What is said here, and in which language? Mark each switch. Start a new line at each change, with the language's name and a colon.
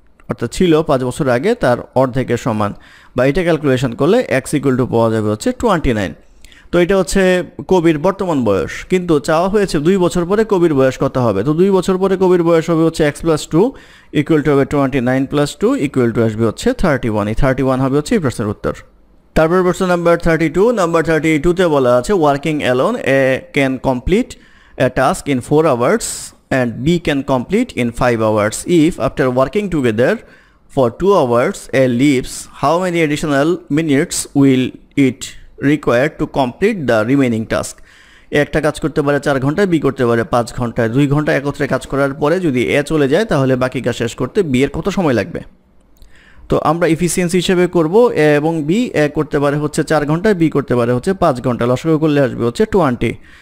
Bangla: অর্থাৎ ছিল 5 বছর আগে তার অর্ধেকের সমান বা এটা ক্যালকুলেশন করলে এক্স ইকুয়াল টু পাওয়া যাবে হচ্ছে 29 তো এটা হচ্ছে কবির বর্তমান বয়স কিন্তু চাওয়া হয়েছে 2 বছর পরে কবির বয়স কত হবে তো 2 বছর পরে কবির বয়স হবে হচ্ছে এক্স প্লাস 2 ইকুয়াল টু হবে 29 + 2 ইকুয়াল টু আসবে হচ্ছে 31 এই 31 হবে হচ্ছে এই প্রশ্নের উত্তর তারপর প্রশ্ন নাম্বার 32 নাম্বার 32 তে বলা আছে
English: Working alone A can complete A task in 4 hours and B can complete in 5 hours. If after working together for 2 hours A leaves, how many additional minutes will it require to complete the remaining task?
Bangla: একটা কাজ করতে পারে 4 ঘন্টায় B করতে পারে 5 ঘন্টায় 2 ঘন্টা একত্রে কাজ করার পরে যদি এ চলে যায় তাহলে বাকি কাজ শেষ করতে বি এর কত সময় লাগবে তো আমরা ইফিসিয়েন্সি হিসেবে করব এ এবং বি এ করতে পারে হচ্ছে 4 ঘন্টায় বি করতে পারে হচ্ছে 5 ঘন্টা লসাগু করলে আসবে হচ্ছে 20